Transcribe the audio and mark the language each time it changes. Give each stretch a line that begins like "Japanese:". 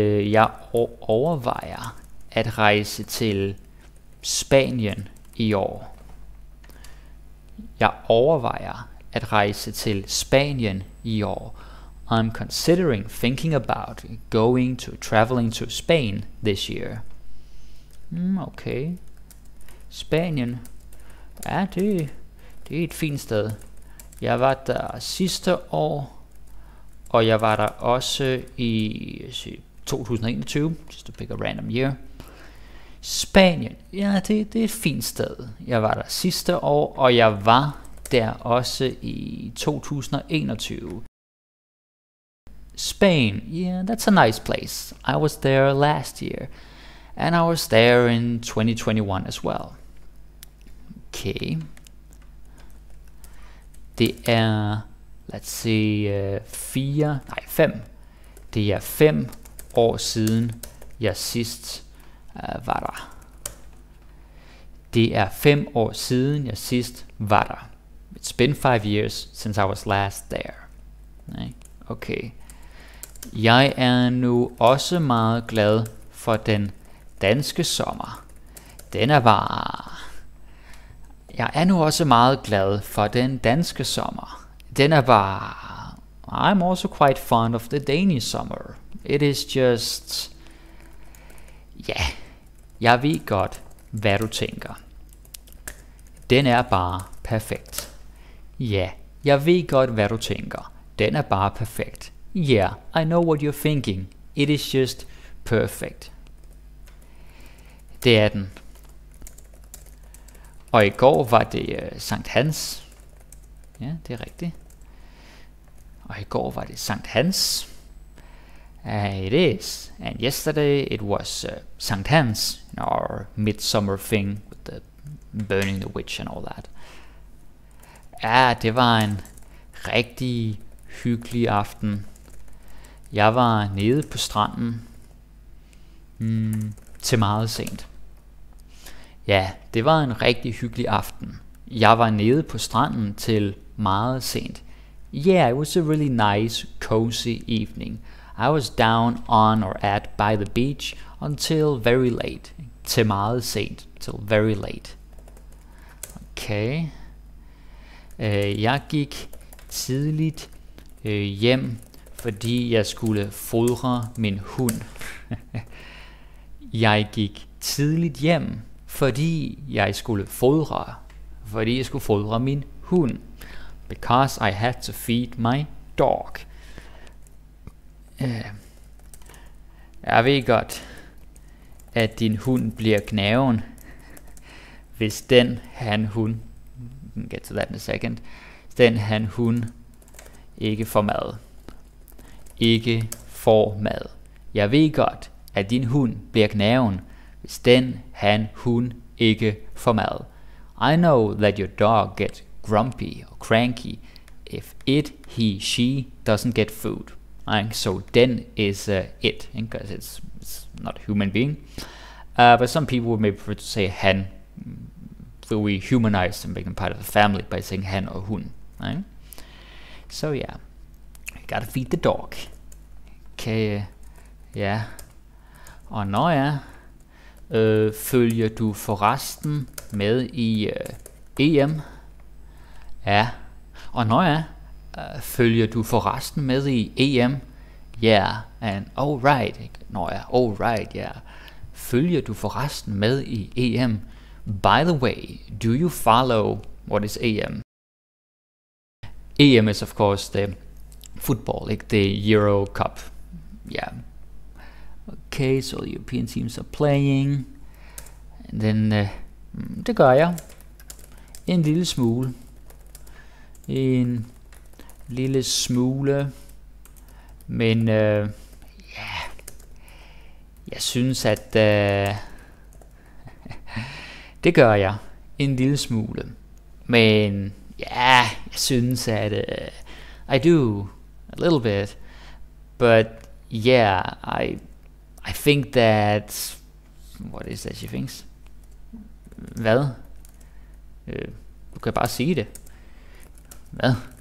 Danish: Jeg overvejer at rejse til Spanien i år. Jeg overvejer at rejse til Spanien i år.
English: I'm considering, thinking about going to, traveling to Spain this year.
Danish: Okay. Spanien. Ja, det er et fint sted. Jeg var der sidste år, og jeg var der også i 2021,
English: just to pick a random year.
Danish: Spanien, ja, det er et fint sted. Jeg var der sidste år, og jeg var der også i 2021.
English: Spain, yeah, that's a nice place. I was there last year, and I was there in 2021 as well. Okay.
Danish: Det er,
English: let's see,
Danish: 5. Det er 5 år siden jeg sidst var der. Det er 5 år siden jeg sidst var der.
English: It's been 5 years since I was last there. Okay.
Danish: Jeg er nu også meget glad for den danske sommer. Den er bare. Jeg er nu også meget glad for den danske sommer. Den er bare.
English: I'm also quite fond of the Danish summer. It is just. Ja, yeah.
Danish: Jeg ved godt, hvad du tænker. Den er bare perfekt. Ja, yeah. Jeg ved godt, hvad du tænker. Den er bare perfekt.
English: Yeah, I know what you're thinking. It is just perfect.
Danish: Det er den. Og i går var det Sankt Hans. Ja, det er rigtigt. Og i går var det Sankt Hans.
English: It is. And yesterday it was Sankt Hans. Our midsummer thing with the burning the witch and all that.
Danish: Ja, det var en rigtig hyggelig aften. Jeg var nede på stranden. Til meget sent. Ja, det var en rigtig hyggelig aften. Jeg var nede på stranden til meget sent.
English: Yeah, it was a really nice, cozy evening. I was down on or at by the beach until very late.
Danish: Til meget sent.
English: Till very late. Okay.
Danish: Jeg gik tidligt hjem, fordi jeg skulle fodre min hund. Jeg gik tidligt hjem. Fordi jeg skulle fodre min hund.
English: Because I had to feed my dog.
Danish: Jeg ved godt, at din hund bliver gnaven, hvis den han hund,
English: get to that in a second,
Danish: den han hund ikke får mad. Ikke får mad. Jeg ved godt, at din hund bliver gnaven, hvis den han hund ikke for mad.
English: I know that your dog gets grumpy or cranky if it, he, she doesn't get food. So den is it, because it's not a human being. But some people would maybe prefer to say han, so we humanize and make them part of the family by saying han or hun. So yeah, you gotta feed the dog. Okay, yeah.
Danish: Og når jeg følger du forresten med i EM? Ja. Og når jeg følger du forresten med i EM? Ja. Yeah.
English: And oh right.
Danish: Når jeg
English: oh right,
Danish: ja. Yeah. Følger du forresten med i EM?
English: By the way, do you follow what is EM? EM is of course the football, like the Euro Cup. Ja. Yeah. Okay, so the European teams are playing. And then,
Danish: det gør jeg. En lille smule. lille smule, men ja, jeg synes, at det gør jeg en lille smule, men ja, jeg synes, at
English: I do a little bit, but yeah, I think that, what is that she thinks?
Danish: Hvad? Du kan bare sige det. Hvad?